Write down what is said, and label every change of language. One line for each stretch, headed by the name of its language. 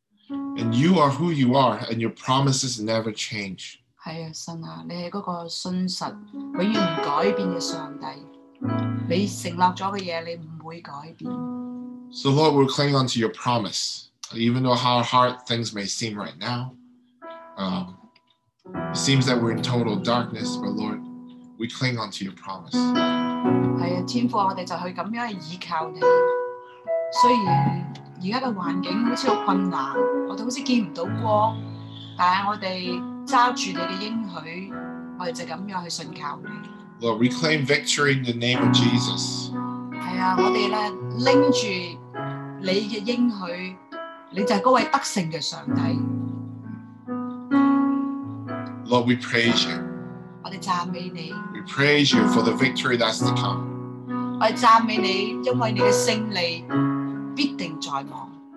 English: And you are who you are, and your promises never change.
Cantonese: 是啊，神啊，你是那个信实永远不改变的上帝，你承诺了的东西你不会改变。
English: So Lord, we're clinging on to your promise, even though how hard things may seem right now, it seems that we're in total darkness, but Lord, we cling on to your promise.
Cantonese: 是啊，天父，我们就去这样依靠你，虽然现在的环境好像很困难，我们好像见不到光，但是我们抓住你的应许，我们就这样去信靠你。
English: Lord, reclaim victory in the name of Jesus.
Cantonese: 是啊，我们呢，拎住你的应许，你就是那位得胜的上帝。
English: Lord, we praise you.
Cantonese: 我们赞美你。
English: We praise you for the victory that's to come.
Cantonese: 我们赞美你，因为你的胜利必定在望。